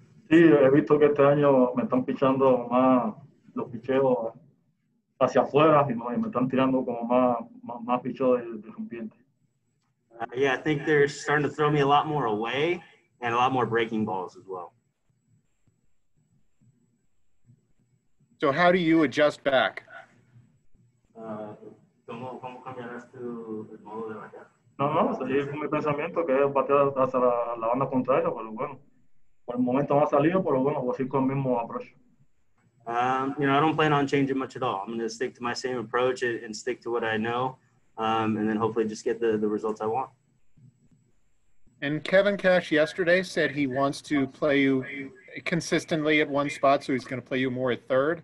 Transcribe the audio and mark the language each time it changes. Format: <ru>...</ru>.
<es>Sí, he visto que este año me están pichando más los picheos hacia afuera y me están tirando como más picheos de rompiente.</es> <en>Yeah, I think they're starting to throw me a lot more away and a lot more breaking balls as well. So how do you adjust back?</en> <es>¿Cómo cambiarás tu modo de batear? No, es mi pensamiento que es batear hacia la banda contraria, pero bueno. Por el momento no ha salido, pero bueno, voy a seguir con el mismo approach.</es> <en>I don't plan on changing much at all. I'm going to stick to my same approach and stick to what I know, and then hopefully just get the results I want. And Kevin Cash yesterday said he wants to play you consistently at one spot, so he's going to play you more at third.</en>